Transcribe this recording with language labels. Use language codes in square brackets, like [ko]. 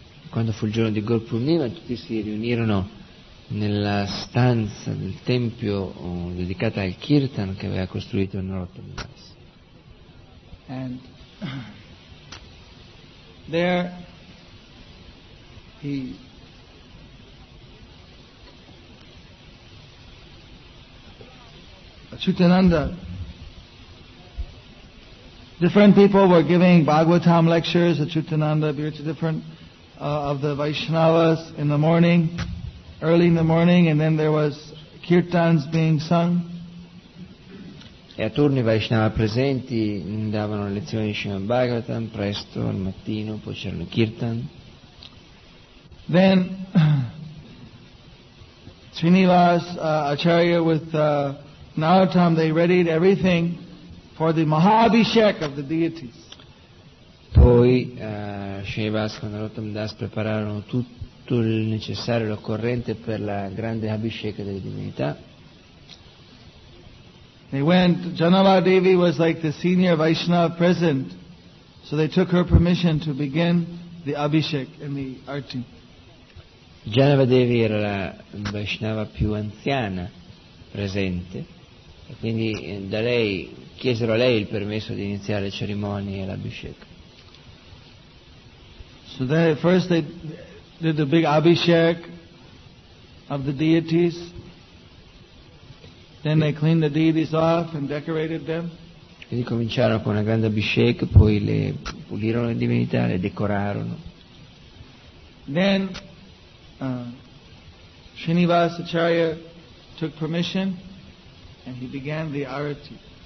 [it] Quando fu il giorno di Gaur Purnima, tutti si riunirono nella stanza del tempio dedicata al Kirtan che aveva costruito Narottam Das. [en] And there he Achyutananda, different people were giving Bhagavatam lectures. Achyutananda appeared to different of the Vaishnavas in the morning, early in the morning, and then there was kirtans being sung. [it] E a turni Vaishnava presenti davano lezioni di Srimad Bhagavatam presto al mattino, poi c'erano kirtan. [en] Then Srinivas Acharya with Narottam, they readied everything for the Mahabhishek of the deities. [it] Poi Srinivas con Narottam Das prepararono tutto il necessario, l'occorrente per la grande Abhishek delle divinità. [en] They went, Janava Devi was like the senior Vaishnava present, so they took her permission to begin the Abhishek and the Arti. [it] Janava Devi era la Vaishnava più anziana presente, e quindi da lei chiesero a lei il permesso di iniziare le cerimonie e l'Abhishek. [en] So then at first they did the big Abhishek of the deities. Then they cleaned the deities off and decorated them. [it] Quindi cominciarono con una grande abhishek, poi le pulirono le divinità, le decorarono. [en] Then Srinivas Acharya took permission and he began the arati.